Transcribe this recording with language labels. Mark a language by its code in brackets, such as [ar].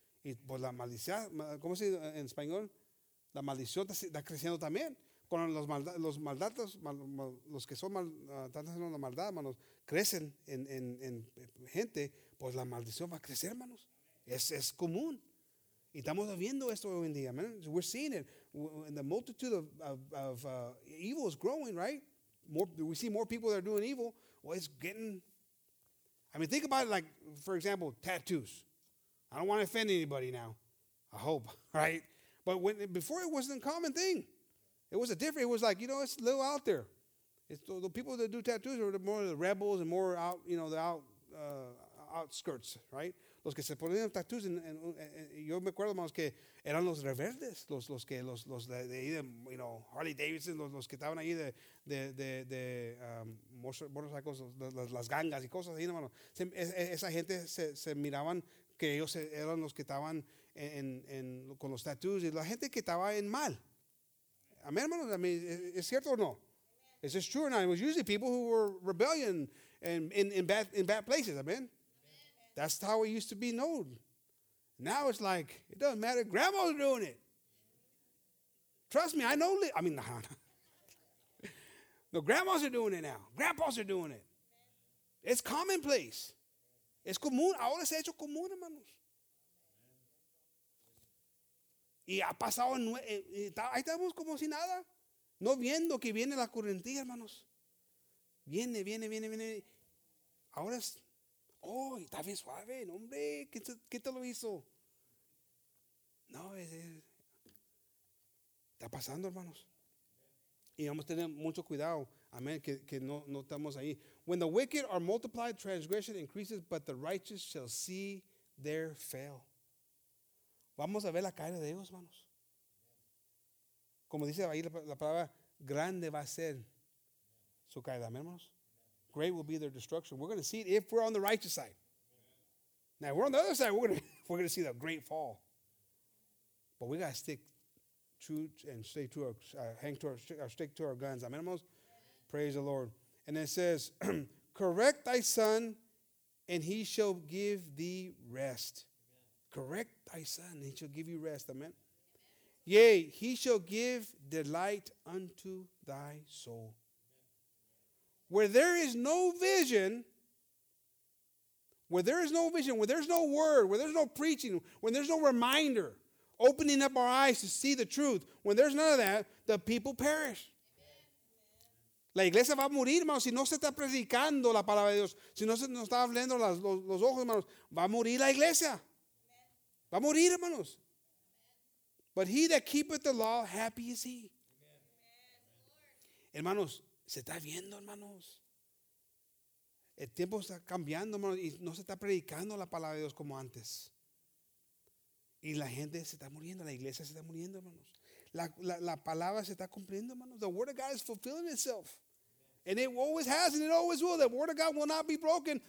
[es] Y pues la maldición, ¿cómo se dice en español? La maldición está creciendo también. Con los que son están haciendo la maldad, hermanos, crecen en gente, pues la maldición va a crecer, hermanos. Es común. Y estamos viendo esto hoy en día, man. [en] We're seeing it. And the multitude of evil is growing, right? We see more people that are doing evil. Well, it's getting... I mean, think about it, like, for example, tattoos. I don't want to offend anybody now. I hope, right? But before it wasn't a common thing. It was a different... It was like, you know, it's a little out there. It's the people that do tattoos are more the rebels and more out, you know, the outskirts, right? [es] Los que se ponían tattoos, yo me acuerdo, hermanos, que eran los rebeldes, los de [en] you know, [es] Harley Davidson, los que estaban ahí de motorcycles, las gangas y cosas ahí, hermanos. Esa gente se miraban que ellos eran los que estaban en con los tattoos y la gente que estaba en mal. Amén, hermanos, [en] I mean, [es] ¿es cierto o no? [en] Is this true or not? It was usually people who were rebellion and in bad places, amen. That's how it used to be known. Now it's like, it doesn't matter. Grandma's doing it. Trust me, I know. No, grandmas are doing it now. Grandpas are doing it. It's commonplace. [es] Es común. Ahora se ha hecho común, hermanos. Y ha pasado. Ahí estamos como si nada. No viendo que viene la corriente, hermanos. Viene. Ahora es. Oh, está bien suave. Hombre, ¿qué te lo hizo? No, es. Está pasando, hermanos. Y vamos a tener mucho cuidado. Amén, que no estamos ahí. [en] When the wicked are multiplied, transgression increases, but the righteous shall see their fail. [es] Vamos a ver la cara de ellos, hermanos. Como dice ahí la palabra, grande va a ser su caída, hermanos. [en] Great will be their destruction. We're going to see it if we're on the righteous side. Now, if we're on the other side, we're going to see the great fall. But we got to stick true and stay to our, stick to our guns. Amen, hermanos. Praise the Lord. And it says, correct thy son, and he shall give thee rest. Amen. Correct thy son, and he shall give you rest. Amen. Yea, he shall give delight unto thy soul. Where there is no vision, where there is no vision, where there's no word, where there's no preaching, when there's no reminder, opening up our eyes to see the truth, when there's none of that, the people perish. [es] La iglesia va a morir, hermanos, si no se está predicando la palabra de Dios, si no se nos está abriendo los ojos, hermanos, va a morir la iglesia. Va a morir, hermanos. [en] But he that keepeth the law, happy is he. [es] Hermanos, se está viendo, hermanos. El tiempo está cambiando, hermanos, y no se está predicando la palabra de Dios como antes. Y la gente se está muriendo, la iglesia se está muriendo, hermanos. La palabra se está cumpliendo, hermanos. [en] The word of God is fulfilling itself. And it always has and it always will. The word of God will not be broken.